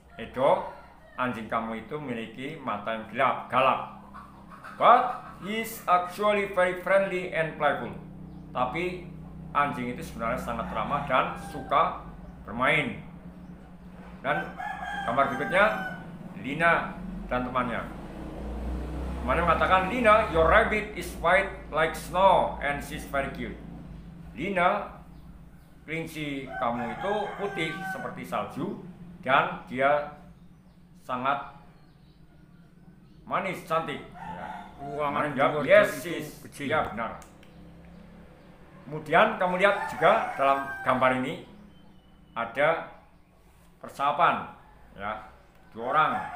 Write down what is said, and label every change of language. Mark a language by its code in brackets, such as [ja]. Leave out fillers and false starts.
[id] Edo, anjing kamu itu memiliki mata yang gelap, galak. [en] But he's actually very friendly and playful. [id] Tapi anjing itu sebenarnya sangat ramah dan suka bermain. Dan gambar berikutnya, Lina dan temannya. Temannya mengatakan, [en] Lina, your rabbit is white like snow and she's very cute. [id] Lina, kelinci kamu itu putih seperti salju dan dia sangat manis, cantik. Ruangan [en] yes, she's [id] kecil. Ya, benar. Kemudian kamu lihat juga dalam gambar ini ada persahapan, ya, dua orang.